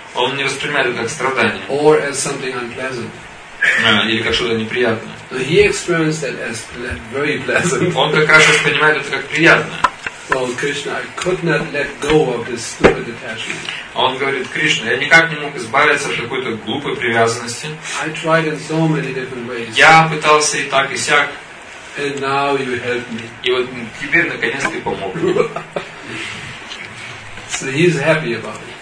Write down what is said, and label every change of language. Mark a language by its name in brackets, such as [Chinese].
[Russian] Он не воспринимает это как страдание. [English] Or as something unpleasant. [Russian] Или как что-то неприятное. [English] So he experienced that as very pleasant. [Russian] Он как раз воспринимает это как приятное. [English] Well, Krishna, I could not let go of this stupid attachment. [Russian] Он говорит: Кришна, я никак не мог избавиться от какой-то глупой привязанности. [English] I tried in so many different ways. [Russian] Я пытался и так, и сяк. [English] And now you help me. [Russian] И вот теперь наконец ты помог мне. [English] So he's happy about it.